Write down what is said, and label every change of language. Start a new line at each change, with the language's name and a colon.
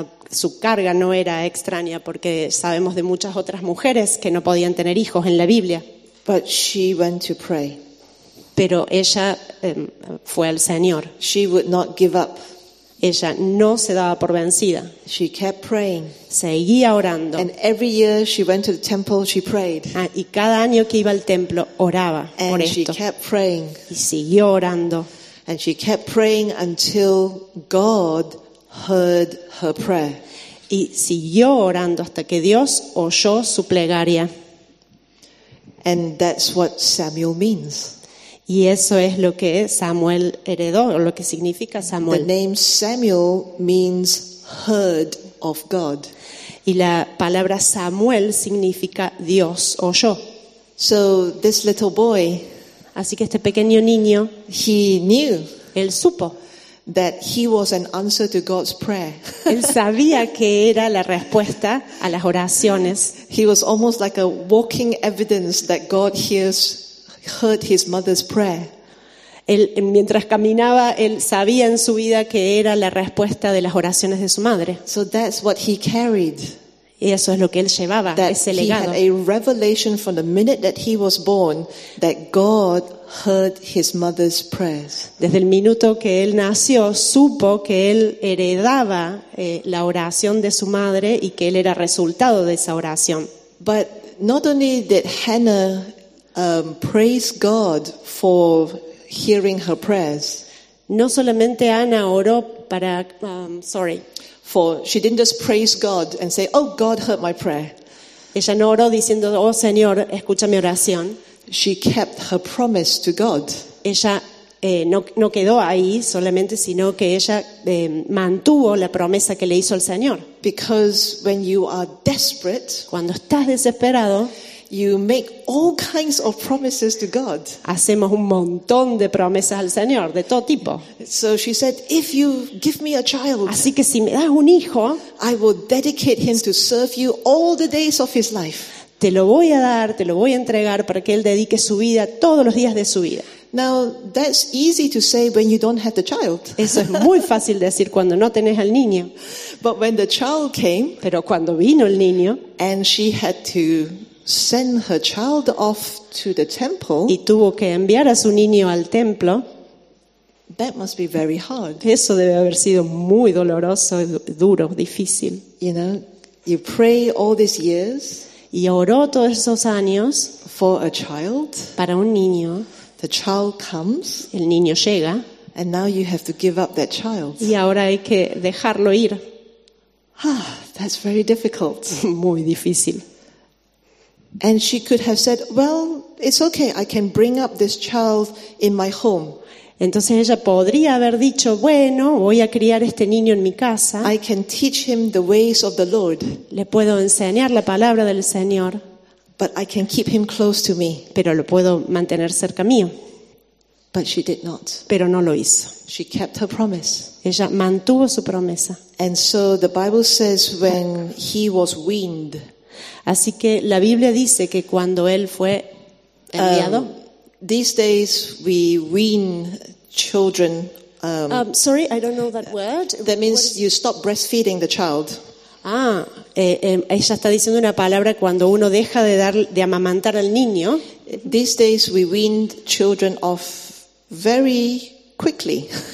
Spanish: Su carga no era extraña porque sabemos de muchas otras mujeres que no podían tener hijos en la Biblia.
English: But she went to pray.
Spanish: Pero ella fue al Señor.
English: She would not give up.
Spanish: Ella no se daba por vencida.
English: She kept praying.
Spanish: Seguía orando.
English: And every year she went to the temple, she prayed.
Spanish: Y cada año que iba al templo oraba por esto.
English: And she kept praying.
Spanish: Y siguió orando.
English: And she kept praying until God heard her prayer.
Spanish: Y siguió orando hasta que Dios oyó su plegaria.
English: And that's what Samuel means.
Spanish: Y eso es lo que Samuel heredó, o lo que significa Samuel.
English: The name Samuel means heard of God.
Spanish: Y la palabra Samuel significa Dios oyó.
English: So this little boy,
Spanish: así que este pequeño niño,
English: he knew,
Spanish: él supo,
English: that he was an answer to God's prayer.
Spanish: Él sabía que era la respuesta a las oraciones.
English: He was almost like a walking evidence that God heard his mother's prayer.
Spanish: Él, mientras caminaba, él sabía en su vida que era la respuesta de las oraciones de su madre.
English: So that's what he carried.
Spanish: Y eso es lo que él llevaba,
English: that
Spanish: ese legado.
English: He had a revelation from the minute that he was born that God heard his mother's prayers.
Spanish: Desde el minuto que él nació, supo que él heredaba la oración de su madre y que él era resultado de esa oración.
English: But not only did Hannah praise God for hearing her prayers.
Spanish: No solamente Ana oró para
English: For she didn't just praise God and say, "Oh, God heard my prayer."
Spanish: Ella no oró diciendo, "Oh, Señor, escucha mi oración."
English: She kept her promise to God.
Spanish: Ella no quedó ahí solamente, sino que ella mantuvo la promesa que le hizo el Señor.
English: Because when you are desperate,
Spanish: cuando estás desesperado,
English: you make all kinds of promises to God.
Spanish: Hacemos un montón de promesas al Señor, de todo tipo.
English: So she said, "If you give me a child,
Spanish: así que si me das un hijo,
English: I will dedicate him to serve you all the days of his life."
Spanish: Te lo voy a dar, te lo voy a entregar para que él dedique su vida todos los días de su vida.
English: Now that's easy to say when you don't have the child.
Spanish: Eso es muy fácil decir cuando no tenés al niño.
English: But when the child came,
Spanish: pero cuando vino el niño,
English: and she had to send her child off to the temple.
Spanish: Y tuvo que enviar a su niño al templo.
English: That must be very hard.
Spanish: Eso debe haber sido muy doloroso, duro, difícil.
English: You know, you pray all these years.
Spanish: Y oró todos esos años.
English: For a child.
Spanish: Para un niño.
English: The child comes.
Spanish: El niño llega.
English: And now you have to give up that child.
Spanish: Y ahora hay que dejarlo ir.
English: Ah, that's very difficult.
Spanish: Muy difícil.
English: And she could have said, "Well, it's okay. I can bring up this child in my home."
Spanish: Entonces ella podría haber dicho, "Bueno, voy a criar este niño en mi casa."
English: "I can teach him the ways of the Lord."
Spanish: Le puedo enseñar la palabra del Señor.
English: "But I can keep him close to me."
Spanish: Pero lo puedo mantener cerca mío.
English: But she did not.
Spanish: Pero no lo hizo.
English: She kept her promise.
Spanish: Ella mantuvo su promesa.
English: And so the Bible says when he was weaned.
Spanish: Así que la Biblia dice que cuando él fue enviado.
English: These days we wean children. Sorry, I don't know that word. That means you stop breastfeeding the child.
Spanish: Ah, ella está diciendo una palabra cuando uno deja de amamantar al niño.
English: These days we wean children off very quickly.